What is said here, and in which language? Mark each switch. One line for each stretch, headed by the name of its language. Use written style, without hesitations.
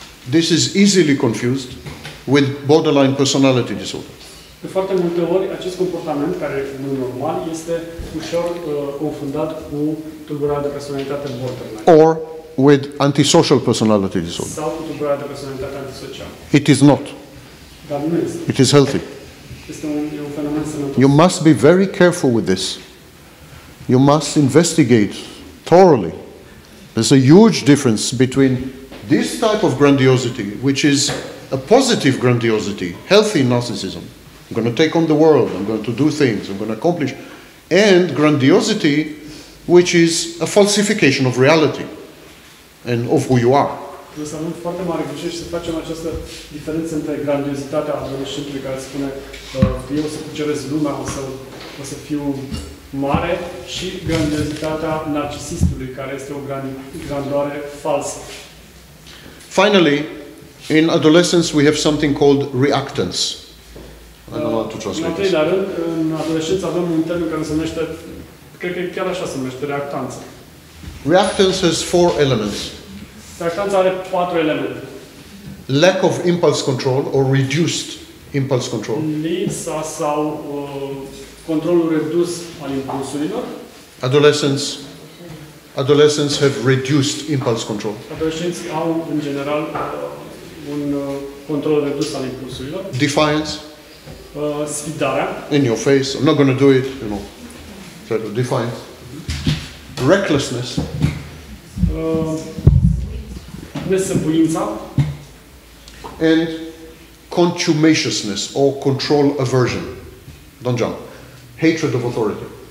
English: This is easily confused with borderline personality disorder.
Romanian: De foarte multe ori, acest comportament care nu e normal este ușor confundat cu tulburarea de personalitate borderline.
English: Or with antisocial personality disorder.
Romanian: Sau cu tulburarea de personalitate antisocială.
English: It is not.
Romanian: Dar nu este.
English: It is healthy.
Romanian: Este un fenomen sănătos.
English: You must be very careful with this. You must investigate thoroughly. There's a huge difference between this type of grandiosity, which is a positive grandiosity, healthy narcissism. I'm going to take on the world, I'm going to do things, I'm going to accomplish. And grandiosity, which is a falsification of reality and of who you are.
Romanian: Să nu foarte mare greșești să facem această diferență între grandiozitatea adolescentului care spune eu o să cuceresc lumea, o să fiu mare, și grandiozitatea narcisistului, care este o grandioare falsă.
English: Finally, in adolescence we have something called reactance.
Romanian: În adolescență avem un termen care se numește, cred că chiar așa se numește, reactanță.
English: Reactance has four elements.
Romanian: Reactanța are patru elemente.
English: Lack of impulse control or reduced impulse control.
Romanian: Lipsa sau controlul redus al impulsurilor.
English: Adolescents have reduced impulse control.
Romanian: Adolescenții au în general un control redus al impulsurilor.
English: Defiance.
Romanian: Sfidarea.
English: In your face, I'm not going to do it, you know. So defiance. Recklessness.
Romanian: Nesăbuința.
English: And contumaciousness or control aversion. Don't jump. Hatred of authority.